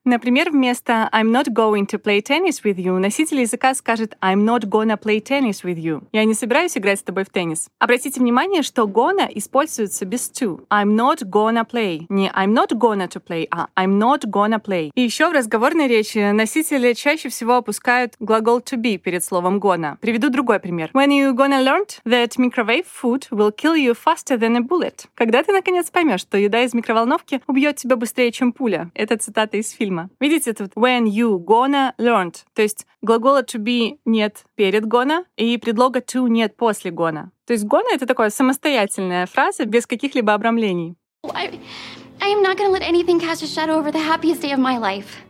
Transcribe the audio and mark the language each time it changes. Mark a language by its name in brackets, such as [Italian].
[Russian] Например, вместо [English] «I'm not going to play tennis with you» [Russian] носитель языка скажет [English] «I'm not gonna play tennis with you». [Russian] «Я не собираюсь играть с тобой в теннис». Обратите внимание, что «gonna» используется без «to». [English] «I'm not gonna play». [Russian] Не [English] «I'm not gonna to play», [Russian] а [English] «I'm not gonna play». [Russian] И еще в разговорной речи носители чаще всего опускают глагол to be перед словом gonna. Приведу другой пример. [English] When you gonna learn that microwave food will kill you faster than a bullet? [Russian] Когда ты наконец поймешь, что еда из микроволновки убьет тебя быстрее, чем пуля? Это цитата из фильма. Видите тут? [English] When you gonna learn. [Russian] То есть глагола to be нет перед gonna и предлога to нет после gonna. То есть gonna — это такая самостоятельная фраза без каких-либо обрамлений. [English] I am not gonna let anything cast a shadow over the happiest day of my life.